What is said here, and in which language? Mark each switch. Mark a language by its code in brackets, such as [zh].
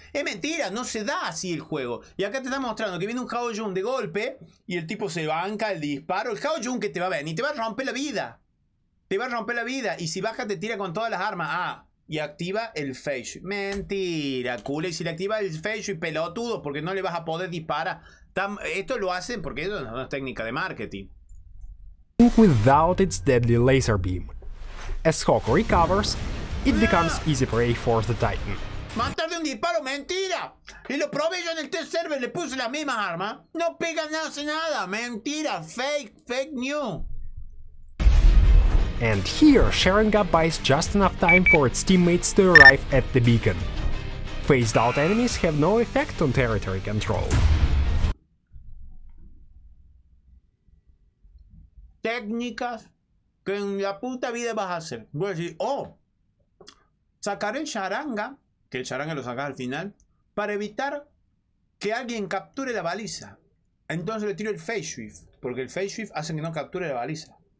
[es] Es mentira, no se da así el juego. Y acá te está mostrando que viene un Hao Jun de golpe y el tipo se banca el disparo. El Hao Jun que te va a ver, ni te va a romper la vida. Te va a romper la vida. Y si baja, te tira con todas las armas. Y activa el Feishu. Mentira, culo. Y si le activa el Feishu y pelotudo, porque no le vas a poder disparar. Esto lo hacen porque eso no es técnica de marketing. [en] Without its deadly laser beam. As Hawk recovers, it becomes easy prey for the Titan. [es] ¡Matar de un disparo! ¡Mentira! Y lo probé yo en el test server, le puse las mismas armas. No pega nada, hace nada. ¡Mentira! ¡Fake news! [en] And here, Sharinga buys just enough time for its teammates to arrive at the beacon. Phased out enemies have no effect on territory control. [es] Técnicas que en la puta vida vas a hacer. Voy a decir, sacar el Sharinga, que el Sharinga lo sacas al final, para evitar que alguien capture la baliza. Entonces le tiro el Phase Shift, porque el Phase Shift hace que no capture la baliza.